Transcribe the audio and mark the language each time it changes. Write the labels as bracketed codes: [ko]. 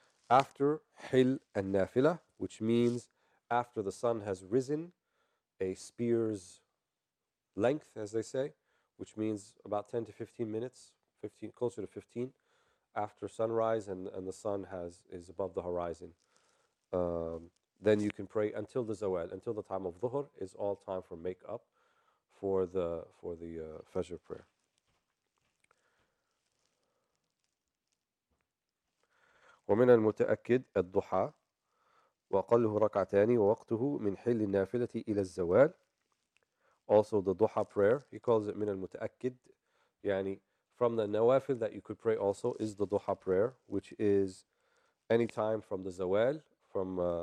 [en] After Hil and Nafila, which means after the sun has risen a spear's length, as they say, which means about 10 to 15 minutes, closer to 15, after sunrise and the sun is above the horizon. Then you can pray until the Zawal, until the time of Dhuhr, is all time for make up for the Fajr prayer. [ar] ومن المتأكد الضحى وأقله ركعتان ووقته من حل النافلة إلى الزوال. [en] Also the Duha prayer, he calls it [ar] من المتأكد, يعني [en] from the nawafil that you could pray also is the Duha prayer, which is any time from the Zawal, from